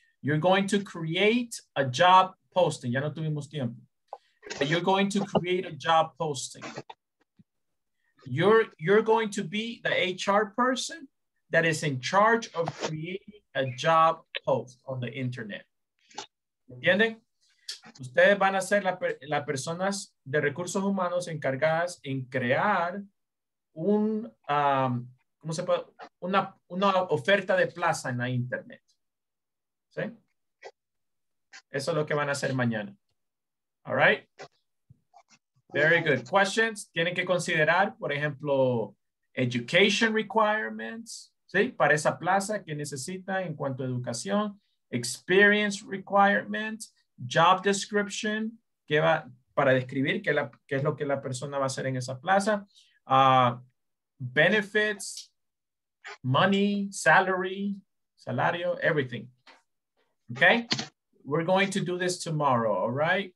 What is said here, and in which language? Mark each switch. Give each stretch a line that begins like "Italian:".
English: You're going to create a job posting.
Spanish: Ya no tuvimos tiempo.
English: But you're going to create a job posting. You're going to be the HR person that is in charge of creating a job post on the internet.
Spanish: ¿Entienden? Ustedes van a ser las personas de recursos humanos encargadas en crear un ¿cómo se puede? Una oferta de plaza en la internet. ¿Sí? Eso es lo que van a hacer mañana.
English: All right? Very good. Questions.
Spanish: Tienen que considerar, por ejemplo, education requirements, ¿sí? Para esa plaza que necesita en cuanto a educación, experience requirements, job description, que va para describir qué, la, qué es lo que la persona va a hacer en esa plaza, benefits, money, salary, salario, everything.
English: Okay? We're going to do this tomorrow, all right?